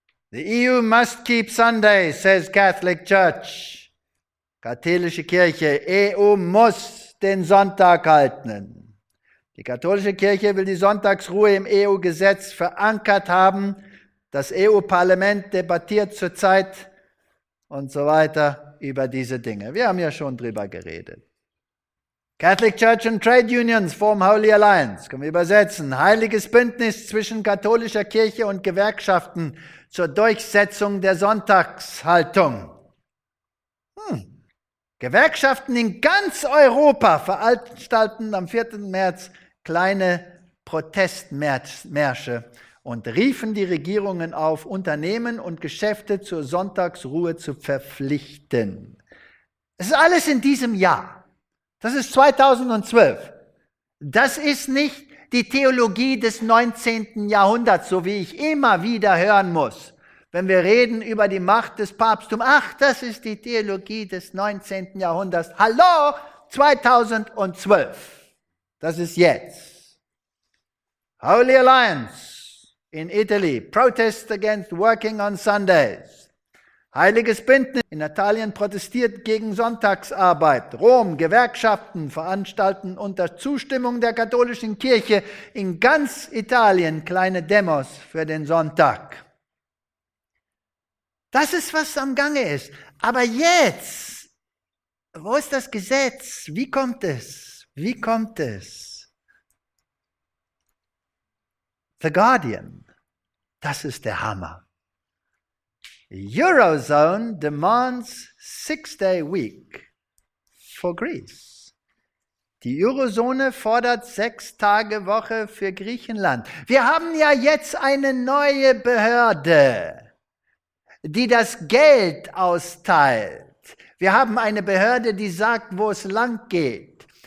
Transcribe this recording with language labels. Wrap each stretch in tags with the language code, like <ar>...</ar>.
<en>The EU must keep Sunday, says Catholic Church.</en> <de>Katholische Kirche, EU muss den Sonntag halten. Die katholische Kirche will die Sonntagsruhe im EU-Gesetz verankert haben. Das EU-Parlament debattiert zurzeit und so weiter über diese Dinge. Wir haben ja schon drüber geredet.</de> <en>Catholic Church and Trade Unions form Holy Alliance.</en> <de>Können wir übersetzen. Heiliges Bündnis zwischen katholischer Kirche und Gewerkschaften zur Durchsetzung der Sonntagshaltung. Gewerkschaften in ganz Europa veranstalten am 4. März kleine Protestmärsche und riefen die Regierungen auf, Unternehmen und Geschäfte zur Sonntagsruhe zu verpflichten. Es ist alles in diesem Jahr. Das ist 2012. Das ist nicht die Theologie des 19. Jahrhunderts, so wie ich immer wieder hören muss. Wenn wir reden über die Macht des Papsttums, ach, das ist die Theologie des 19. Jahrhunderts. Hallo, 2012. Das ist jetzt.</de> <en>Holy Alliance in Italy, protest against working on Sundays.</en> <de>Heiliges Bündnis in Italien protestiert gegen Sonntagsarbeit. Rom, Gewerkschaften veranstalten unter Zustimmung der katholischen Kirche in ganz Italien kleine Demos für den Sonntag. Das ist, was am Gange ist. Aber jetzt, wo ist das Gesetz? Wie kommt es? Wie kommt es? The Guardian, das ist der Hammer.</de> <en>Eurozone demands 6-day week for Greece.</en> <de>Die Eurozone fordert 6 Tage Woche für Griechenland. Wir haben ja jetzt eine neue Behörde, die das Geld austeilt. Wir haben eine Behörde, die sagt, wo es lang geht.</de>